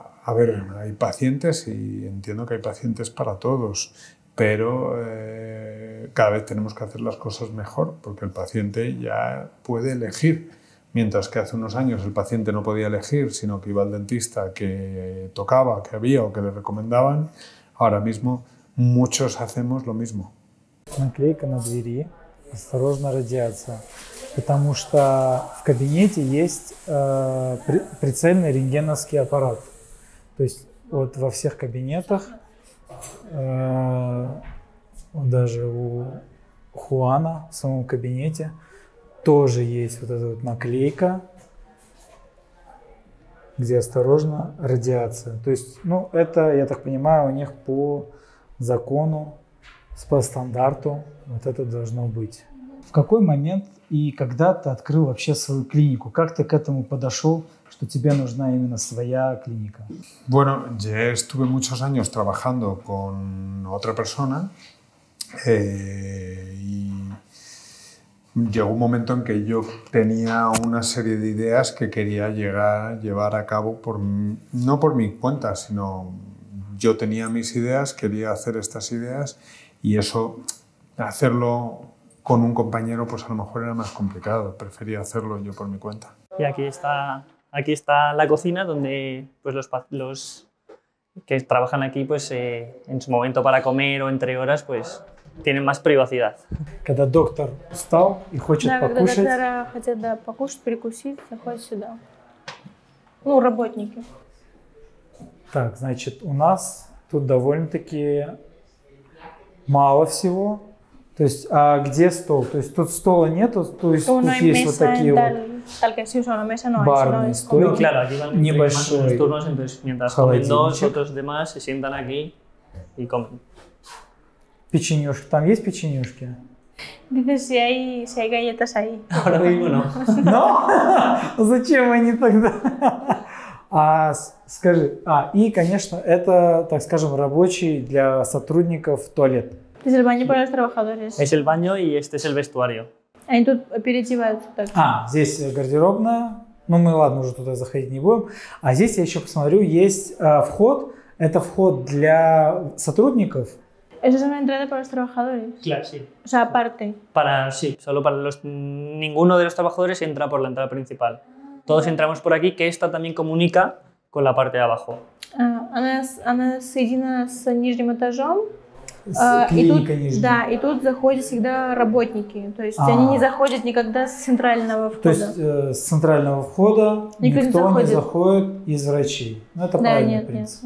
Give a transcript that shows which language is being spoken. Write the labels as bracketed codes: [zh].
[es] A ver, hay pacientes y entiendo que hay pacientes para todos, pero cada vez tenemos que hacer las cosas mejor porque el paciente ya puede elegir. Mientras que hace unos años el paciente no podía elegir, sino que iba al dentista que tocaba, que había o que le recomendaban, ahora mismo muchos hacemos lo mismo. [ru] Наклейка на двери, осторожно радиация, потому что в кабинете есть прицельный рентгеновский аппарат. То есть вот во всех кабинетах, даже у Хуана в самом кабинете, тоже есть вот эта вот наклейка, где осторожно, радиация. То есть, ну, это, я так понимаю, у них по закону, по стандарту вот это должно быть. В какой момент и когда ты открыл вообще свою клинику? Как ты к этому подошел? Что тебе нужна именно своя клиника? [es] Bueno, ya estuve muchos años trabajando con otra persona y llegó un momento en que yo tenía una serie de ideas que quería llevar a cabo por, no por mi cuenta, sino yo tenía mis ideas, quería hacer estas ideas y eso, hacerlo con un compañero, pues a lo mejor era más complicado. Prefería hacerlo yo por mi cuenta. Y aquí está... Aquí está la cocina donde pues, los que trabajan aquí pues, en su momento para comer o entre horas pues, tienen más privacidad. [ru] Когда доктор встал и хочет покушать. Да, когда доктора хотят да, покушать, перекусить, заходят сюда. Ну, работники. Так, значит, у нас тут довольно-таки мало всего. То есть, а где стол? То есть, тут стола нету, то есть, тут есть вот такие вот. [es] tal que si uso una mesa no barne, es, ¿no? Es como... no, claro, aquí van [ru] небольшой... [es] los turnos, entonces mientras comen dos, otros demás se sientan aquí y comen. [ru] Печенюшки. Там есть печенюшки? [es] Dices si hay galletas ahí. Ahora mismo no. ¿No? [ru] Зачем они тогда? А, скажи, а, и, конечно, это, так скажем, рабочий для сотрудников туалет. [es] Es el baño para los trabajadores. Es el baño y este es el vestuario. [ru] Они тут переодеваются так. А, здесь гардеробная. Ну, мы, ладно, уже туда заходить не будем. А здесь я еще посмотрю, есть вход. Это вход для сотрудников. [es] Eso es una entrada para los trabajadores. Claro, sí. O sea, aparte. Para, sí, solo para los... Ninguno de los trabajadores entra por la entrada principal. Todos entramos por aquí, que esta también comunica con la parte de abajo. [ru] Она соединена с нижним этажом. Клиника нижняя. Да, и тут заходят всегда работники. То есть они не заходят никогда с центрального входа. То есть с центрального входа никто не заходит из врачей. Ну, это правильно, в принципе.